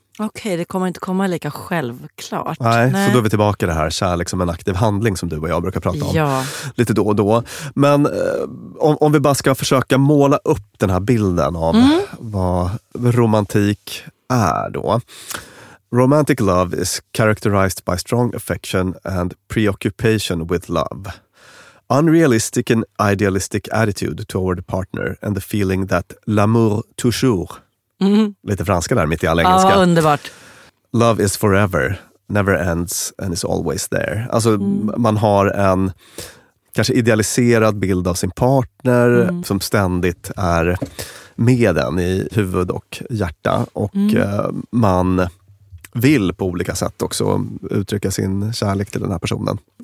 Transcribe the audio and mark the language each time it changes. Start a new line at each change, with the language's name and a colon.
Swedish: Okej, det kommer inte komma lika självklart. Nej, så då är vi tillbaka i det här kärlek som en aktiv handling som du och jag brukar prata om. Ja. Lite då och då. Men om vi bara ska försöka måla upp den här bilden av vad romantik är då.
English: Romantic love is characterized by strong affection and preoccupation with love. Unrealistic and idealistic attitude toward a partner and the feeling that
French: l'amour toujours.
Swedish: Lite franska där mitt i all engelska. Ja, underbart.
English: Love is forever, never ends and is always there.
Swedish: Alltså man har en kanske idealiserad bild av sin partner som ständigt är med en i huvud och hjärta. Och man vill på olika sätt också uttrycka sin kärlek till den här personen.